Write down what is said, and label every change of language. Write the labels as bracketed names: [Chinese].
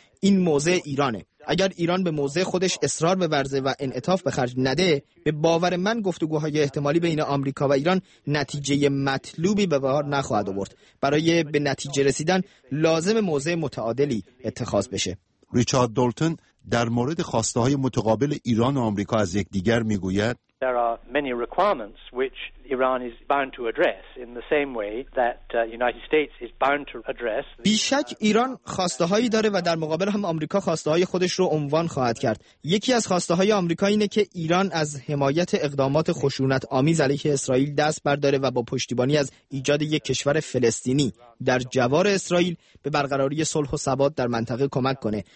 [Persian] این موضع ایرانه. اگر ایران به موضع خودش اصرار بورزه و انعطاف به خرج نده، به باور من گفتگوهای احتمالی بین آمریکا و ایران نتیجه مطلوبی به بار نخواهد آورد. برای به نتیجه رسیدن لازم موضع متعادلی اتخاذ بشه. ریچارد دالتون در مورد خواسته های متقابل ایران و آمریکا از یکدیگر میگوید: [English] There are many requirements which Iran is bound to address in the same way that United States is bound to address. [Persian] بیشک ایران خواسته هایی داره و در مقابل هم آمریکا خواسته های خودش رو عنوان خواهد کرد. یکی از خواسته های آمریکا اینه که ایران از حمایت اقدامات خشونت آمیز علیه اسرائیل دست برداره و با پشتیبانی از ایجاد یک کشور فلسطینی در جوار اسرائیل به برقراری صلح و ثبات در منطقه کمک کنه.